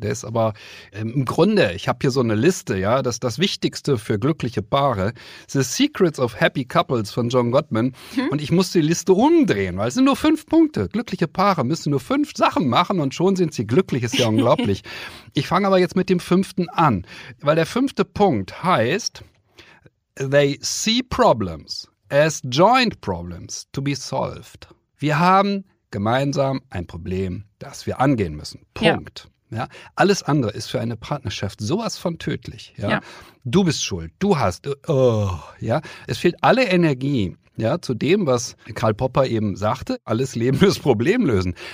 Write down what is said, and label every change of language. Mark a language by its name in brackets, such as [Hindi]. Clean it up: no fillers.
[German] Der ist aber im Grunde, ich habe hier so eine Liste, ja, dass das Wichtigste für glückliche Paare, The Secrets of Happy Couples von John Gottman. Und ich muss die Liste umdrehen, weil es sind nur 5 Punkte. Glückliche Paare müssen nur 5 Sachen machen und schon sind sie glücklich. Ist ja unglaublich. Ich fange aber jetzt mit dem 5. an, weil der 5. Punkt heißt, [English] they see problems as joint problems to be solved. [German] Wir haben gemeinsam ein Problem, das wir angehen müssen. Punkt. Ja. Alles andere ist für eine Partnerschaft sowas von tödlich. Ja. Du bist schuld, du hast, es fehlt alle Energie. Ja, zu dem, was Karl Popper eben sagte, alles Leben ist Problem lösen.